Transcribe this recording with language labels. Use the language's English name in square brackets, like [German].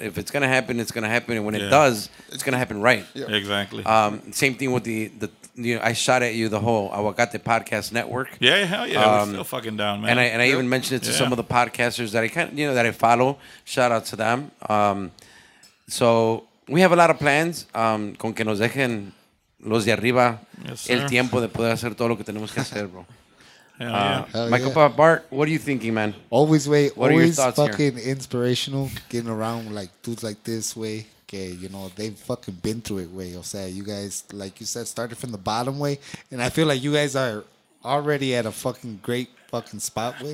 [English] If it's going to happen, it's going to happen. And when it does, it's going to happen right. Yeah. Exactly. Same thing with the you know, I shot at you the whole Aguacate Podcast Network. Yeah, hell yeah. I'm still fucking down, man. And I even mentioned it to some of the podcasters that I kind of, you know, that I follow. Shout out to them. So we have a lot of plans. [Spanish] Con que nos dejen los de arriba el tiempo de poder hacer todo lo que tenemos que hacer, bro. [English] Michael, Bart, what are you thinking, man? Always inspirational getting around like dudes like this way. Okay, you know, they've fucking been through it way. You said you guys, like you said, started from the bottom way. And I feel like you guys are already at a fucking great fucking spot way.